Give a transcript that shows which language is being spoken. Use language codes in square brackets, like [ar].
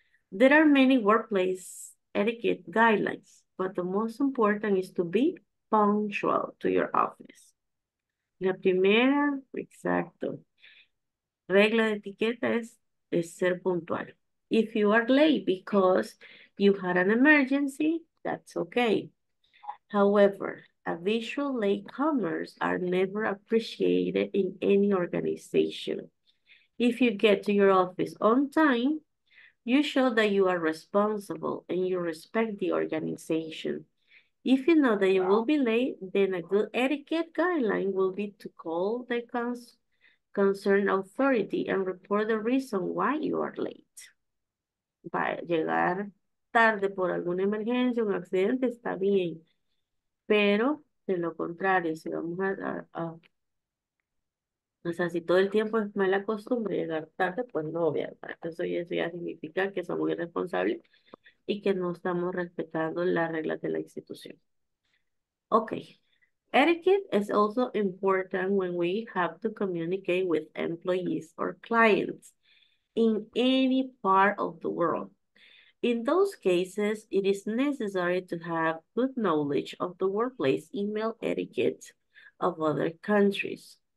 [en] There are many workplace etiquette guidelines, but the most important is to be punctual to your office. [es] La primera, exacto, regla de etiqueta es ser puntual. [en] If you are late because you had an emergency, that's okay. However, habitual latecomers are never appreciated in any organization. If you get to your office on time, you show that you are responsible and you respect the organization. If you know that you will be late, then a good etiquette guideline will be to call the concerned authority and report the reason why you are late. [es] Para llegar tarde por alguna emergencia, un accidente, está bien. Pero, de lo contrario, si vamos o sea, si todo el tiempo es mala costumbre llegar tarde, pues no, ¿verdad? Eso ya significa que somos irresponsables y que no estamos respetando las reglas de la institución. [en] Okay. Etiquette is also important when we have to communicate with employees or clients in any part of the world. In those cases, it is necessary to have good knowledge of the workplace email etiquette of other countries.